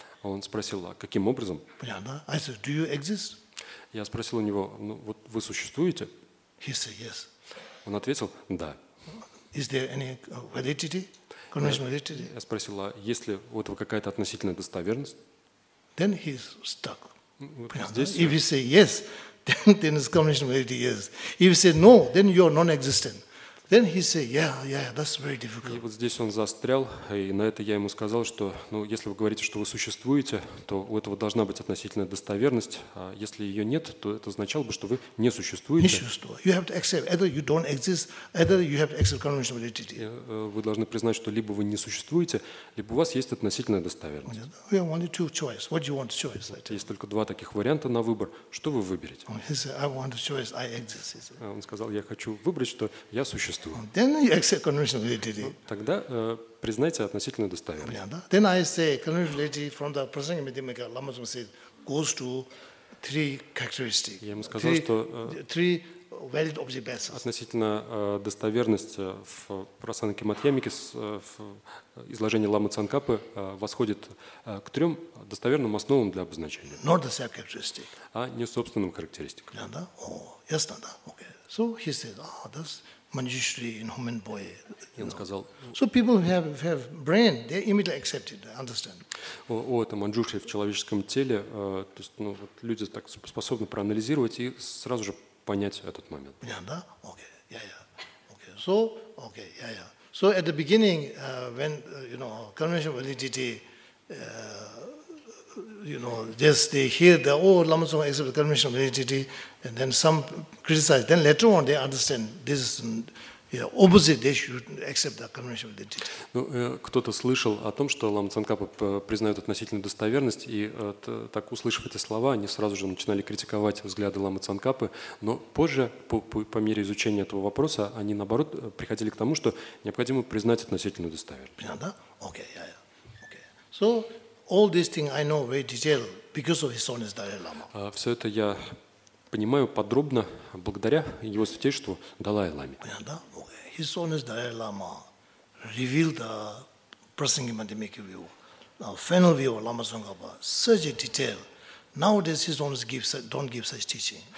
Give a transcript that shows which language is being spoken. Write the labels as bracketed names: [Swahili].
[Russian] Он спросил, а каким образом? [English] Понятно. I said, do you exist? [Russian] Я спросил у него, ну вот вы существуете? [English] He said, yes. [Russian] Он ответил, да. [English] Is there any validity? [Russian] Я спросил, а есть ли у этого какая-то относительная достоверность? [English] Then he's stuck. [Russian] Вот здесь, [English] if he say yes, then his combination of reality is. If you say no, then you are non-existent. Then he say, yeah, that's very difficult. [Russian] И вот здесь он застрял, и на это я ему сказал, что, ну, если вы говорите, что вы существуете, то у этого должна быть относительная достоверность. А если ее нет, то это означало бы, что вы не существуете. Не существует. [English] You have to accept either you don't exist, either you have to accept conventional validity. [Russian] Вы должны признать, что либо вы не существуете, либо у вас есть относительная достоверность. [English] We have only two choices. What do you want to choose? [Russian] Есть только два таких варианта на выбор. Что вы выберете? [English] He said, I want to choose. I exist. [Russian] Он сказал, я хочу выбрать, что я существую. [English] Then you accept conventional validity. [Russian] Тогда признайте относительную достоверность. [English] Yeah, yeah. Then I say conventional validity from the present Madhyamaka Lama Tsongkhapa says goes to three characteristics. [Russian] Я ему сказал, что [English] three valid object bases. [Russian] Относительно достоверность в просанке Мадхьямики в изложении Лама Цанкапы восходит к трем достоверным основам для обозначения. [English] Not the same characteristic. [Russian] А не собственным характеристикам. [English] Yeah, yeah. Oh, yes, yeah, yeah. Okay. So he says, ah, oh, that's Manjushri in human boy. [Russian] Сказал, [English] so people who have brain, they immediately accept it, understand. [Russian] О, это манджушри в человеческом теле, то есть, ну, вот люди так способны проанализировать и сразу же понять этот момент. Понятно, да? [English] Okay, yeah, yeah. Okay, so, okay, yeah, yeah. So at the beginning, when, you know, conventional validity, you know, just they hear the, oh, Lama Tsongkhapa accept the conventional validity, and then some criticize. Then later on, they understand this is, you know, opposite, they should accept the conventional validity. [Russian] Ну, кто-то слышал о том, что Лама Цанкапа признает относительную достоверность, и так, услышав эти слова, они сразу же начинали критиковать взгляды Лама Цанкапы, но позже, по мере изучения этого вопроса, они, наоборот, приходили к тому, что необходимо признать относительную достоверность. Понятно, да? [English] Okay, yeah, yeah. Okay. So, all these things I know very detailed because of His Holiness Dalai Lama. [Russian] Все это я понимаю подробно благодаря Его Святейшеству Далай Ламе. [English] His Holiness Dalai Lama revealed the Prasangika Madhyamika view, the final view of Lama Tsongkhapa, such a detail. Nowadays His Holiness don't give such teaching.